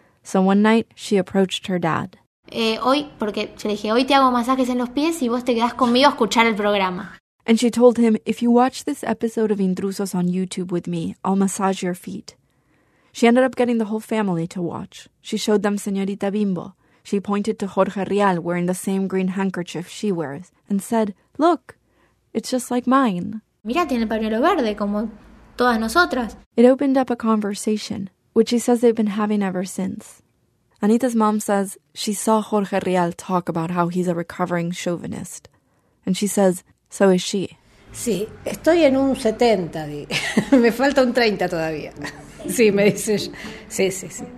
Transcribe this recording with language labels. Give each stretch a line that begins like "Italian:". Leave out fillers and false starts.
English: So one night, she approached her dad. And she told him, if you watch this episode of Intrusos on YouTube with me, I'll massage your feet. She ended up getting the whole family to watch. She showed them Señorita Bimbo. She pointed to Jorge Rial wearing the same green handkerchief she wears and said, look, it's just like mine.
Spanish: Mira, tiene el pañuelo verde, como todas nosotras.
English: It opened up a conversation, which she says they've been having ever since. Anita's mom says she saw Jorge Rial talk about how he's a recovering chauvinist. And she says, so is she.
Spanish: Sí, estoy en un 70. Me falta un 30 todavía. Sí, me dices. Sí, sí, sí.